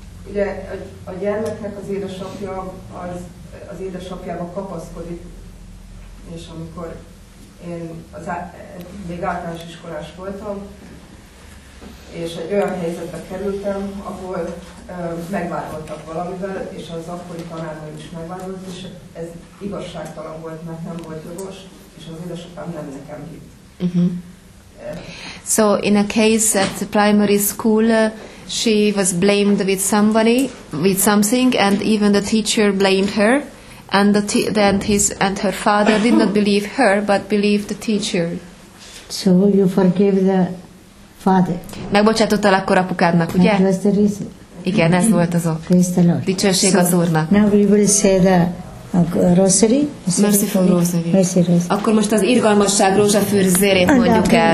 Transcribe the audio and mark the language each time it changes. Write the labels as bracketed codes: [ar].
[hu] Ugye a gyermeknek az édesapja az édesapjába kapaszkodik, és amikor én még általános iskolás voltam, és egy olyan helyzetbe kerültem, ahol megvádoltak valamivel, és az akkori tanárom is megvádolt, és ez igazságtalan volt, mert nem volt jogos, és az édesapám nem nekem hitt. [en] So in a case at the primary school, she was blamed with somebody, with something, and even the teacher blamed her, and then her father did not believe her, but believed the teacher. So you forgive the father. [hu] Megbocsátottál akkor apukádnak, ugye? [en] That was the reason. [hu] Igen, ez volt az ok. [en] Praise the Lord. [hu] Dicsőség az Úrnak. [en] Now we will say the rosary. Merciful rosary. Merci, rosary. [hu] Akkor most az irgalmasság rózsafűrzérét mondjuk el.